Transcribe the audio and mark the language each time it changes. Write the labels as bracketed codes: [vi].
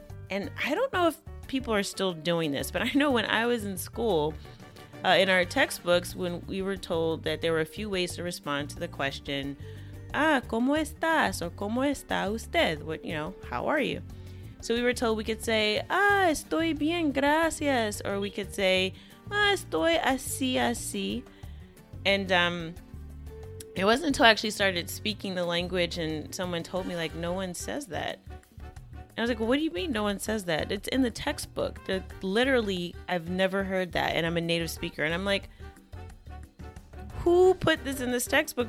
[en] And I don't know if people are still doing this, but I know when I was in school, in our textbooks, when we were told that there were a few ways to respond to the question, ah, [es] ¿cómo estás? [en] Or [es] ¿cómo está usted? [en] What, you know, how are you? So we were told we could say, ah, [es] estoy bien, gracias. [en] Or we could say, ah, [es] estoy así, así. [en] And it wasn't until I actually started speaking the language and someone told me, like, no one says that. And I was like, well, what do you mean no one says that? It's in the textbook. They're, literally, I've never heard that. And I'm a native speaker. And I'm like, who put this in this textbook?